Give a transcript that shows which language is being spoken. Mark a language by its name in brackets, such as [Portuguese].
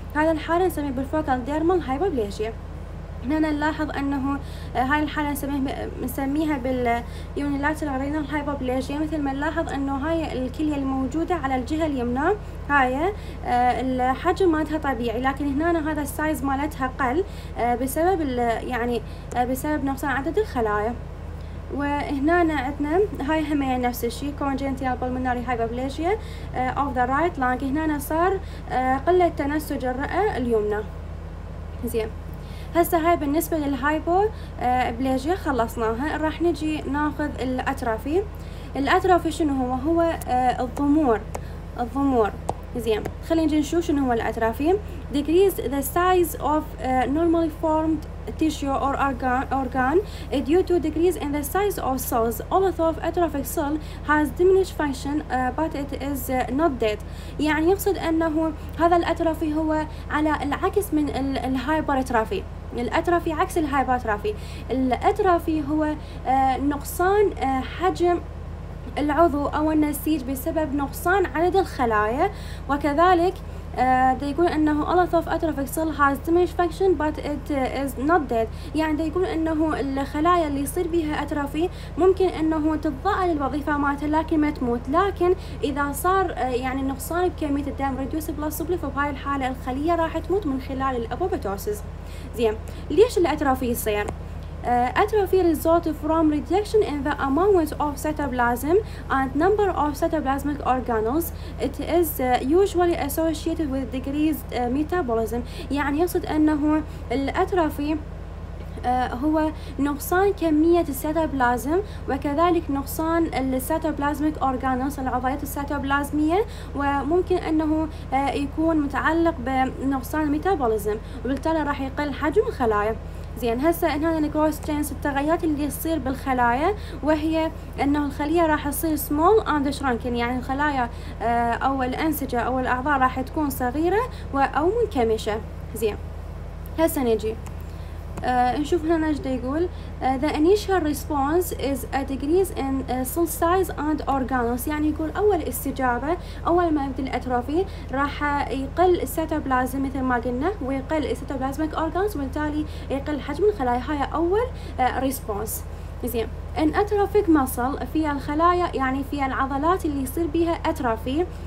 [Arabic] هذا الحالة نسميه بالفوكال ديرمال هايبوبليجيا. هنا نلاحظ أنه هاي الحالة نسميها باليونيلاترال رينال هايبوبليجيا. مثل ما نلاحظ أنه هاي الكلية الموجودة على الجهة اليمنى هاي الحجم مالتها طبيعي، لكن هنا هذا السايز مالتها قل بسبب يعني بسبب نقصان عدد الخلايا. وهنا عندنا هاي همية نفس الشيء [English] congenital pulmonary hypoplasia of the right lung. [Arabic] هنا صار قلة تنسج الرئة اليمنى. زين هسه هاي بالنسبة للهايبوبليجيا خلصناها. راح نجي ناخذ الأترافي. الأترافي شنو هو؟ هو الضمور. الضمور زين خلينا نجي نشوف شنو هو الأترافي. [English] decrease the size of normally formed tissue or organ due to decrease in the size of cells. Although atrophic cell has diminished function but it is not dead. [Arabic] يعني يقصد انه هذا الاترافي هو على العكس من الهايبرترافي. الاترافي عكس الهايبرترافي. الاترافي هو نقصان حجم العضو او النسيج بسبب نقصان عدد الخلايا. وكذلك ده يقول انه [English] although of atrophic cell has diminished function but it is not dead. [Arabic] يعني ده يقول انه الخلايا اللي يصير بها اترافي ممكن انه تتضاءل الوظيفة مالتها لكن ما تموت، لكن اذا صار يعني نقصان بكمية الدم [English] reduce blood supply [Arabic] فبهاي الحالة الخلية راح تموت من خلال الابوبتوسيس. زين ليش الاترافي يصير؟ [English] atrophy result from reduction in the amount of cytoplasm and number of cytoplasmic organelles. It is usually associated with decreased metabolism. [Arabic] يعني يقصد أنه الأترافي هو نقصان كمية السيتوبلازم وكذلك نقصان السيتوبلازميك أورجانوس العضيات السيتوبلازمية، وممكن أنه يكون متعلق بنقصان الميتابوليزم وبالتالي راح يقل حجم الخلايا. زين هسه ان هذا الكروس تشينز التغيرات اللي تصير بالخلايا، وهي انه الخليه راح تصير سمول اند شرانكن، يعني الخلايا او الانسجه او الاعضاء راح تكون صغيره او منكمشه. زين هسه نجي نشوف هنا ايش يقول. [English] The initial response is a decrease in cell size and organelles. [Arabic] يعني يقول اول استجابه اول ما يبدا الاتروفي راح يقل السيتوبلازم مثل ما قلنا ويقل السيتوبلازميك اورجانز وبالتالي يقل حجم الخلايا. هاي اول response. زين ان اتروفيك مسل في الخلايا يعني في العضلات اللي يصير بها اتروفي.